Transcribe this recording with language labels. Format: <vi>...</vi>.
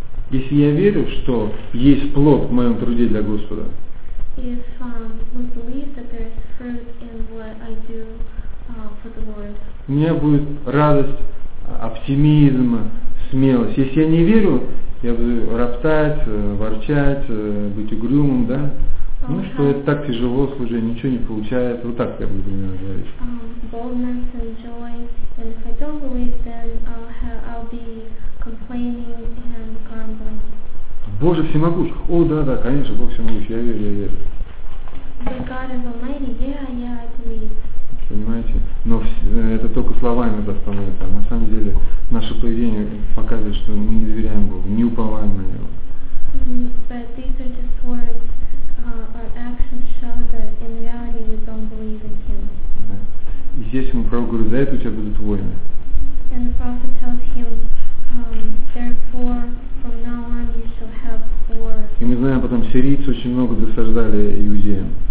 <ru>Если я верю, что есть плод в моем труде для Господа,</ru> <en>if we believe that there is fruit in what I do for the Lord,</en> <ru>у меня будет радость, оптимизм, смелость. Если я не верю, я буду роптать, ворчать, быть угрюмым, да? Ну, okay. Что это так тяжело служить, ничего не получается. Вот так я буду примерно говорить.</ru> <en>Boldness and joy. And if I don't believe, then I'll be complaining and grumbling.</en> <ru>Боже всемогущ. О, да-да, конечно, Бог всемогущ. Я верю, я верю.</ru> <en>But God is almighty. Yeah, yeah, I believe.</en> <ru>Понимаете? Но это только слова иногда становится. А на самом деле наше поведение показывает, что мы не доверяем Богу, не уповаем на Него.</ru> <en>But these are just words. Our actions show that in reality we don't believe in Him.</en> <ru>И здесь ему пророк говорит, за это у тебя будут войны.</ru> <en>And the prophet tells him, therefore, from now on you shall have war.</en> <ru>И мы знаем, потом сирийцы очень много досаждали иудеям.</ru>